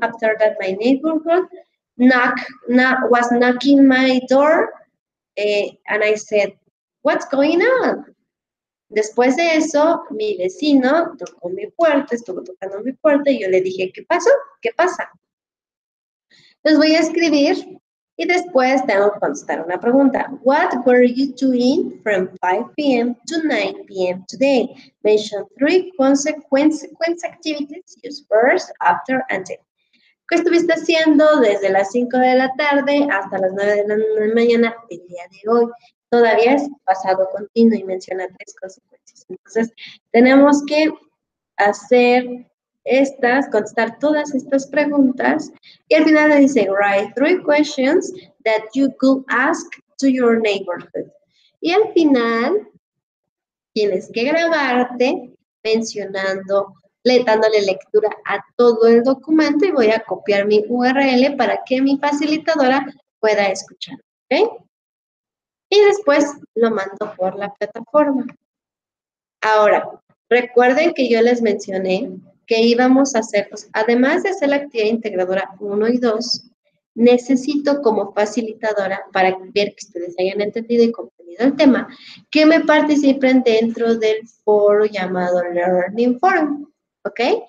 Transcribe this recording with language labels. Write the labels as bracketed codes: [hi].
[en] After that, my neighborhood was knocking my door. And I said, what's going on? [es] Después de eso, mi vecino tocó mi puerta, estuvo tocando mi puerta y yo le dije, ¿qué pasó? ¿Qué pasa? Les voy a escribir y después tengo que contestar una pregunta. [en] What were you doing from 5 p.m. to 9 p.m. today? Mention three consequence activities. Use first, after, and then. [es] ¿Qué estuviste haciendo desde las 5 de la tarde hasta las 9 de la mañana el día de hoy? Todavía es pasado continuo y menciona tres consecuencias. Entonces, tenemos que hacer estas, contestar todas estas preguntas. Y al final le dice, [en] write three questions that you could ask to your neighborhood. [es] Y al final, tienes que grabarte mencionando, dándole lectura a todo el documento y voy a copiar mi URL para que mi facilitadora pueda escuchar. ¿Ok? Y después lo mando por la plataforma. Ahora, recuerden que yo les mencioné que íbamos a hacer, pues, además de hacer la actividad integradora 1 y 2, necesito como facilitadora, para ver que ustedes hayan entendido y comprendido el tema, que me participen dentro del foro llamado Learning Forum. ¿Ok?